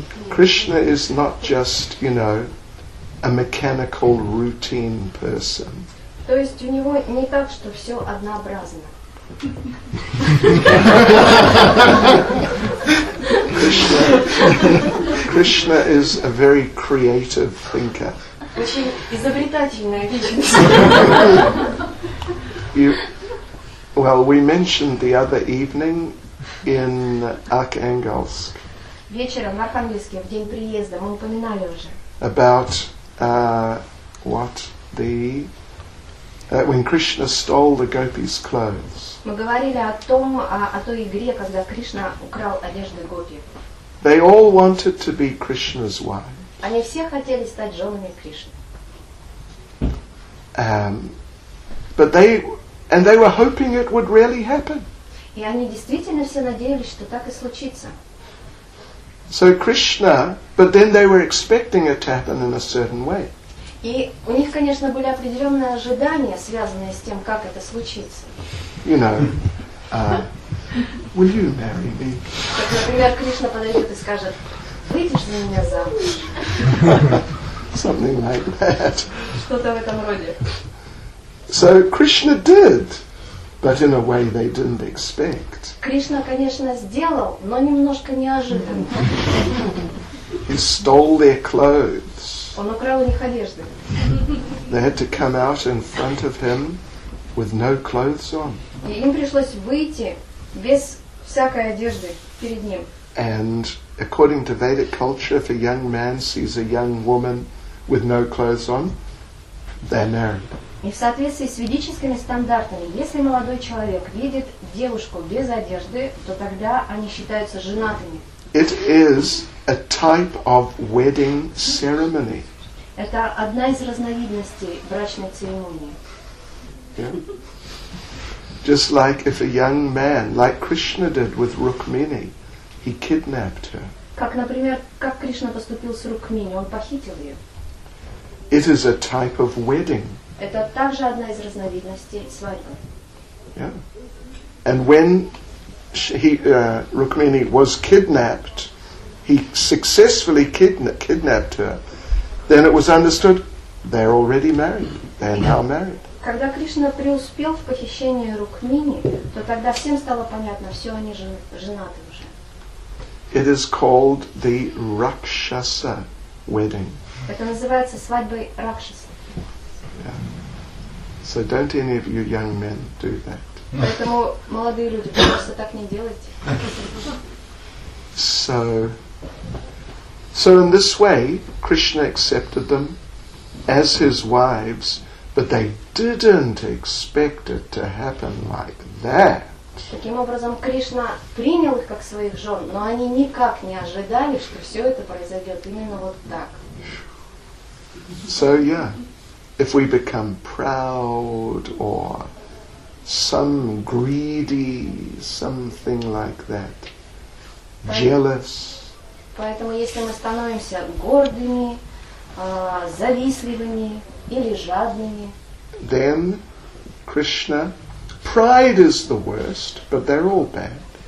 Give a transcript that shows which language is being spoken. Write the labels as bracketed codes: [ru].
[en] Krishna is not just, you know, a mechanical routine person. [ru] То есть у него не так, что все однообразно. [en] Krishna is a very creative thinker. [ru] Очень изобретательная личность. [en] You, well, we mentioned the other evening in Arkhangelsk. [ru] Вечером в Архангельске, в день приезда, мы упоминали уже. [en] About what the when Krishna stole the gopis' clothes. [ru] Мы говорили о том, о той игре, когда Кришна украл одежды гопи. [en] They all wanted to be Krishna's wife. [ru] Они все хотели стать женами Кришны. [en] But they and they were hoping it would really happen. [ru] И они действительно все надеялись, что так и случится. [en] So Krishna, but then they were expecting it to happen in a certain way. [ru] И у них, конечно, были определенные ожидания, связанные с тем, как это случится. [en] You know, will you marry me? [ru] Как, например, Кришна подойдет и скажет: выйдешь за меня замуж? [en] Something like that. [ru] Что-то в этом роде. [en] So Krishna did, but in a way they didn't expect. [ru] Кришна, конечно, сделал, но немножко неожиданно. [en] He stole their clothes. [ru] Он украл у них одежды. [en] They had to come out in front of him with no clothes on. [ru] И им пришлось выйти без всякой одежды перед ним. [en] And according to Vedic culture, if a young man sees a young woman with no clothes on, they're married. [ru] И в соответствии с ведическими стандартами, если молодой человек видит девушку без одежды, то тогда они считаются женатыми. [en] It is a type of wedding ceremony. [ru] Это одна из разновидностей брачной церемонии. [en] Yeah. Just like if a young man, like Krishna did with Rukmini, he kidnapped her. [ru] Как, например, как Кришна поступил с Рукмини, он похитил ее. [en] It is a type of wedding. [ru] Это также одна из разновидностей свадьбы. [en] Yeah. And when Rukmini was kidnapped, he successfully kidnapped her, then it was understood they're already married. They're now married. [ru] Когда Кришна преуспел в похищении Рукмини, то тогда всем стало понятно, все, они женаты уже. [en] It is called the Rakshasa wedding. [ru] Это называется свадьбой Ракшаса. [en] Yeah. So don't any of you young men do that. [ru] Поэтому молодые люди, пожалуйста, так не делайте. [en] So in this way, Krishna accepted them as his wives, but they didn't expect it to happen like that. [ru] Таким образом, Кришна принял их как своих жен, но они никак не ожидали, что все это произойдет именно вот так. [en] So yeah. If we become proud or some greedy, something like that, jealous. [ru] Поэтому если мы становимся гордыми, завистливыми или жадными, [en] then Krishna, pride is the worst, but they're all bad.